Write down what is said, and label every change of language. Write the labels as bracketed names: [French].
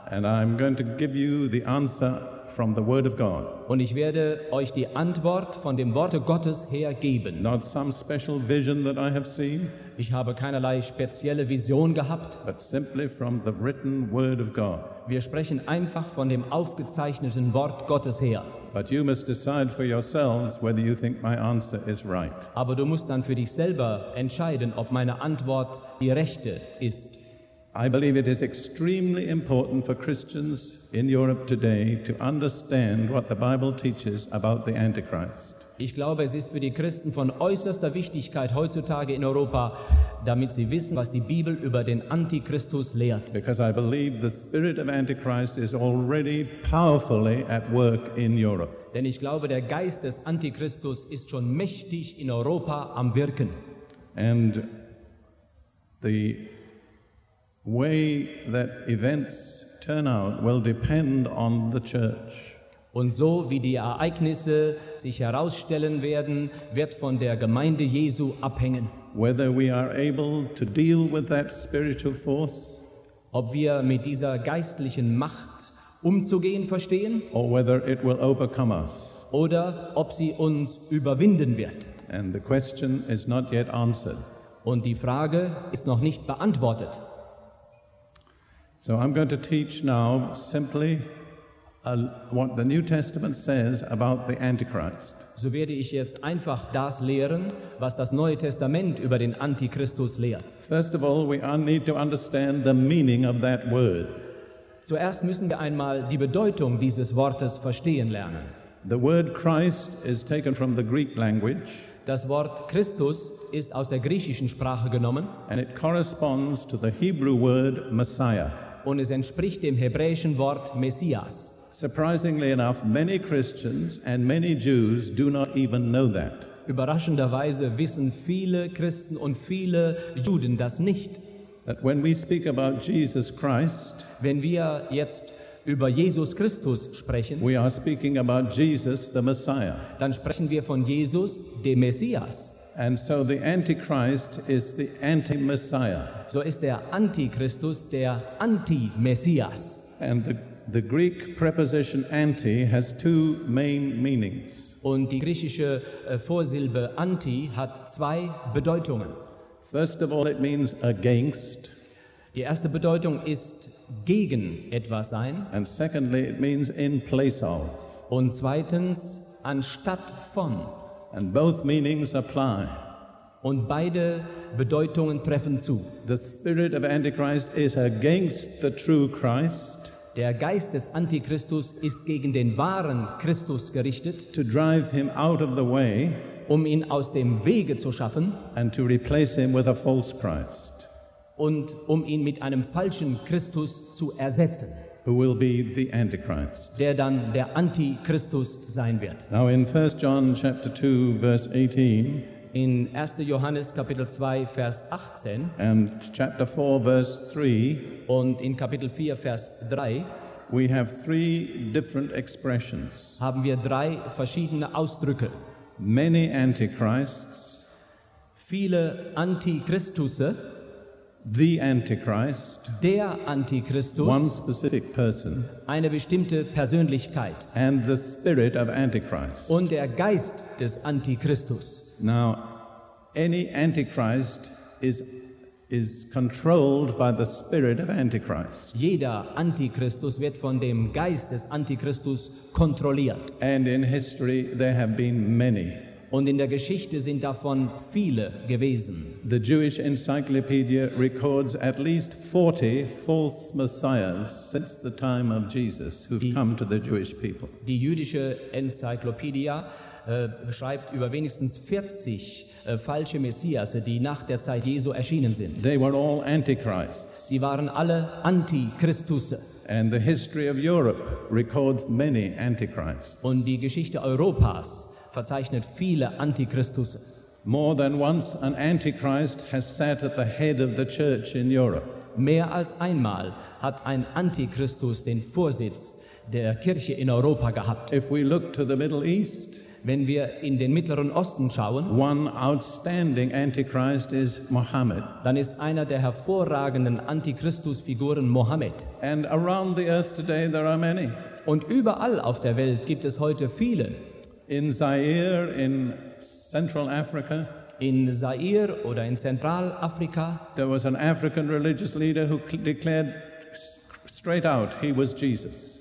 [English] And I'm going to give you the answer from the Word of God. [German] Und ich werde euch die Antwort von dem Worte Gottes her geben. [English] Not some special vision that I have seen. [German] Ich habe keinerlei spezielle Vision gehabt. [English] But simply from the written Word of God. [German] Wir sprechen einfach von dem aufgezeichneten Wort Gottes her. [English] But you must decide for yourselves whether you think my answer is right. [German] Aber du musst dann für dich selber entscheiden, ob meine Antwort die rechte ist. [English] I believe it is extremely important for Christians in Europe today to understand what the Bible teaches about the Antichrist. [German] Ich glaube, es ist für die Christen von äußerster Wichtigkeit heutzutage in Europa, damit sie wissen, was die Bibel über den Antichristus lehrt. [English] Because I believe the spirit of Antichrist is already powerfully at work in Europe. [German] Denn ich glaube, der Geist des Antichristus ist schon mächtig in Europa am Wirken. [English] And the way that events turn out will depend on the church. [German] Und so, wie die Ereignisse sich herausstellen werden, wird von der Gemeinde Jesu abhängen. [English] Whether we are able to deal with that spiritual force, [German] ob wir mit dieser geistlichen Macht umzugehen verstehen, [English] or whether it will overcome us. [German] Oder ob sie uns überwinden wird. [English] And the question is not yet answered. [German] Und die Frage ist noch nicht beantwortet. [English] So I'm going to teach now simply what the New Testament says about the Antichrist. [German] So werde ich jetzt einfach das lehren, was das Neue Testament über den Antichristus lehrt. [English] First of all, we need to understand the meaning of that word. [German] Zuerst müssen wir einmal die Bedeutung dieses Wortes verstehen lernen. [English] The word Christ is taken from the Greek language. [German] Das Wort Christus ist aus der griechischen Sprache genommen. [English] And it corresponds to the Hebrew word Messiah. [German] Und es entspricht dem hebräischen Wort Messias. [English] Surprisingly enough, many Christians and many Jews do not even know that. [German] Überraschenderweise wissen viele Christen und viele Juden das nicht. [English] That when we speak about Jesus Christ, [German] wenn wir jetzt über Jesus Christus sprechen, [English] we are speaking about Jesus the Messiah. [German] Dann sprechen wir von Jesus dem Messias. [English] And so the Antichrist is the anti-Messiah. [German] So ist der Antichristus der Anti-Messias. [English] And the Greek preposition anti has 2 main meanings. [German] Und die griechische Vorsilbe anti hat 2 Bedeutungen. [English] First of all, it means against. [German] Die erste Bedeutung ist gegen etwas sein. [English] And secondly, it means in place of. [German] Und zweitens anstatt von. [English] And both meanings apply. [German] Und beide Bedeutungen treffen zu. [English] The spirit of Antichrist is against the true Christ. [German] Der Geist des Antichristus ist gegen den wahren Christus gerichtet. [English] To drive him out of the way. [German] Um ihn aus dem Wege zu schaffen. [English] And to replace him with a false Christ. [German] Und um ihn mit einem falschen Christus zu ersetzen. [English] Who will be the Antichrist. [German] Der dann der Antichristus sein wird. [English] Now in 1 John chapter 2 verse 18. [German] In 1. Johannes Kapitel 2 Vers 18 [English] and chapter 4 verse 3 [German] und in Kapitel 4 Vers 3 [English] we have three different expressions. [German] Haben wir drei verschiedene Ausdrücke. [English] Many antichrists, [German] viele Antichristusse, [English] the Antichrist, [German] der Antichristus, [English] one specific person, [German] eine bestimmte Persönlichkeit, [English] and the spirit of Antichrist, [German] und der Geist des Antichristus. [English] Now, any Antichrist is controlled by the spirit of Antichrist. [German] Jeder Antichristus wird von dem Geist des Antichristus kontrolliert. [English] And in history there have been many. [German] Und in der Geschichte sind davon viele gewesen. [English] The Jewish Encyclopedia records at least 40 false messiahs since the time of Jesus who've come to the Jewish people. [German] Die jüdische Enzyklopädie beschreibt über wenigstens 40 falsche Messias, die nach der Zeit Jesu erschienen sind. [English] They were all antichrists. [German] Sie waren alle Antichristusse. [English] And the history of Europe records many antichrists. [German] Und die Geschichte Europas verzeichnet viele Antichristusse. [English] More than once an antichrist has sat at the head of the church in Europe. [German] Mehr als einmal hat ein Antichristus den Vorsitz der Kirche in Europa gehabt. [English] If we look to the Middle East, [German] wenn wir in den Mittleren Osten schauen, [English] one outstanding antichrist is Mohammed. [German] Dann ist einer der hervorragenden Antichristusfiguren Mohammed. [English] And around the earth today there are many. [German] Und überall auf der Welt gibt es heute viele. [English] In Zaire, in Central Africa, [German] in Zaire oder in Zentralafrika, [English] there was an African religious leader who declared straight out he was Jesus.